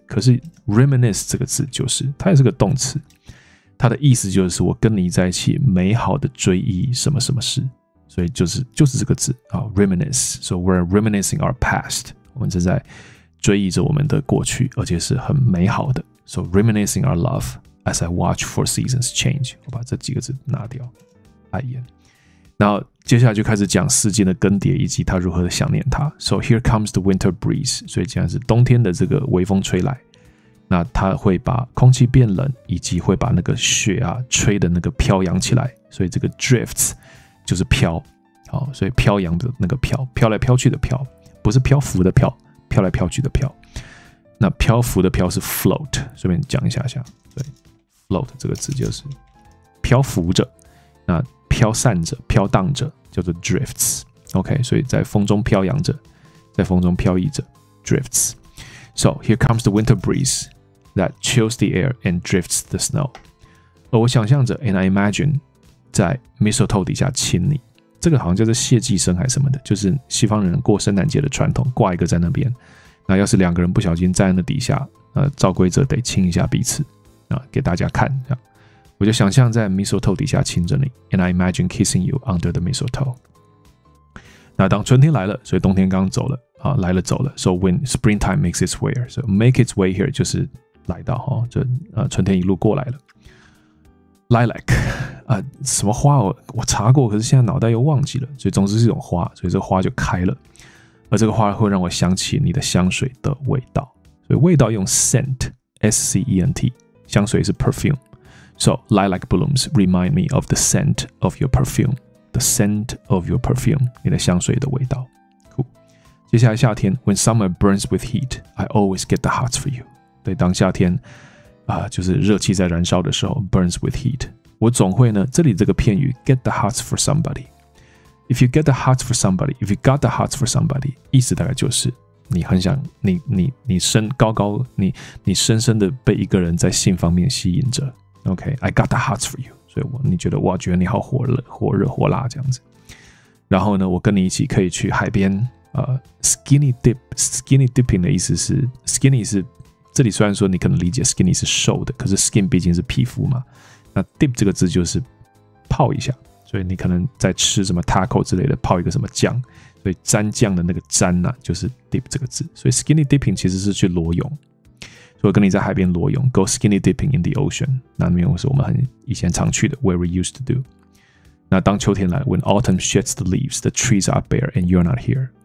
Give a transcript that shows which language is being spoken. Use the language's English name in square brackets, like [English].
[Chinese] 可是 reminisce 这个字就是，它也是个动词，它的意思就是我跟你在一起美好的追忆什么什么事。所以就是这个字啊 ，reminisce。 [English] So we're reminiscing our past， [Chinese] 我们正在追忆着我们的过去，而且是很美好的。 [English] So reminiscing our love as I watch four seasons change， [Chinese] 我把这几个字拿掉。那接下来就开始讲四季的更迭以及他如何想念他。 [English] So here comes the winter breeze， [Chinese] 所以现在是冬天的这个微风吹来，那他会把空气变冷，以及会把那个雪啊吹的那个飘扬起来，所以这个 drifts 就是飘，好，所以飘扬的那个飘，飘来飘去的飘，不是漂浮的飘，飘来飘去的飘。那漂浮的飘是 float， 顺便讲一下，对， float 这个字就是漂浮着，那飘散着、飘荡着，叫做 drifts。 OK， 所以在风中飘扬着，在风中飘逸着 ，drifts。 [English] So here comes the winter breeze that chills the air and drifts the snow。 [Chinese] 而我想象着 ， [English] and I imagine， [Chinese] 在 mistletoe 底下亲你，这个好像叫做谢祭生还是什么的，就是西方人过圣诞节的传统，挂一个在那边。那要是两个人不小心站在那底下，照规则得亲一下彼此啊，给大家看一下。我就想象在 mistletoe 底下亲着你 [English] ，and I imagine kissing you under the mistletoe。 [Chinese] 那当春天来了，所以冬天刚走了啊，来了走了。 [English] So when springtime makes its way here， so make its way here [Chinese] 就是来到哈，就春天一路过来了。 Lilac 啊，什么花我查过，可是现在脑袋又忘记了。所以总之是一种花，所以这花就开了。而这个花会让我想起你的香水的味道，所以味道用 scent， 香水是 perfume。 [English] So lilac blooms remind me of the scent of your perfume. The scent of your perfume， [Chinese] 你的香水的味道。 [English] Cool. [Chinese] 接下来夏天 [English] ，When summer burns with heat, I always get the hots for you. [Chinese] 对，当夏天就是热气在燃烧的时候 ， [English] burns with heat， [Chinese] 我总会呢，这里这个片语 [English] get the hots for somebody. If you get the hots for somebody, [Chinese] if you got the hots for somebody， 意思大概就是你很想你深高高你深深的被一个人在性方面吸引着。 [English] Okay, I got the hots for you. [Chinese] 所以你觉得哇，觉得你好火热、火热、火辣这样子。然后呢，我跟你一起可以去海边，skinny-dippin 的意思是 skinny 是这里虽然说你可能理解 skinny 是瘦的，可是 skin 毕竟是皮肤嘛。那 dip 这个字就是泡一下，所以你可能在吃什么 taco 之类的，泡一个什么酱，所以沾酱的那个沾呢、啊，就是 dip 这个字。所以 skinny-dippin 其实是去裸泳。我跟你在海边裸泳 [English] ，go skinny dipping in the ocean。 [Chinese] 那里面是我们很以前常去的 ， [English] where we used to do。那当秋天来 ，when autumn sheds the leaves, the trees are bare and you're not here。